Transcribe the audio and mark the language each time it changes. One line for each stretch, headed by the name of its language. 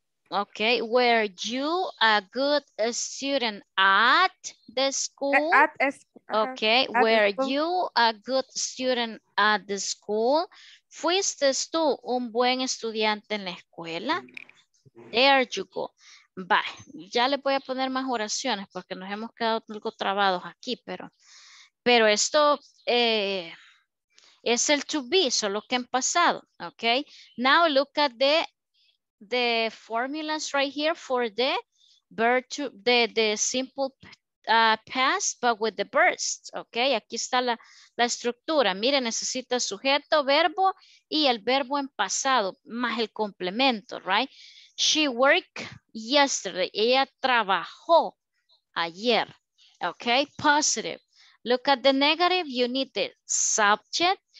English: Okay, were you a good student at the school?
Spanish: ¿Fuiste tú un buen estudiante en la escuela?
English: There you go. Bye.
Spanish: Ya le voy a poner más oraciones porque nos hemos quedado algo trabados aquí, pero esto es el to be, solo que en pasado.
English: Okay. Now look at the formulas right here for the verb to the simple past but with the verb.
Spanish: Okay, aquí está la estructura. Mire, necesita sujeto, verbo y el verbo en pasado más el complemento, right?
English: She worked yesterday.
Spanish: Ella trabajó ayer.
English: Okay, positive. Look at the negative. You need the subject.